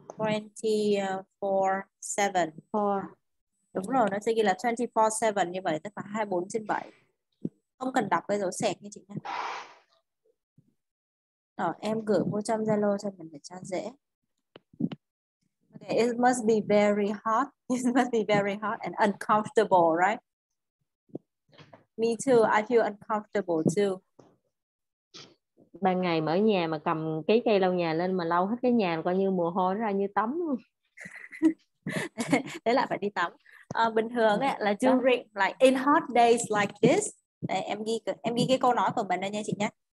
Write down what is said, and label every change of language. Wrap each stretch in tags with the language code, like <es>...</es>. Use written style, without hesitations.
<vi>24/7. Đúng rồi, nó sẽ ghi là 24/7 như vậy, tức là 24/7. Không cần đọc cái dấu sẹt nha chị nha. Đó, em gửi vô trong Zalo cho mình để cho dễ.</vi> <en>Okay, it must be very hot. It must be very hot and uncomfortable, right? Me too. I feel uncomfortable too.</en> <vi>Ban ngày mà ở nhà mà cầm cái cây lau nhà lên mà lau hết cái nhà coi như mồ hôi nó ra như tắm luôn. Thế là phải đi tắm. Bình thường ấy, là</vi> <en>during like in hot days like this.</en> <vi>Đây, em ghi cái câu nói của mình đây nha chị nhé.</vi>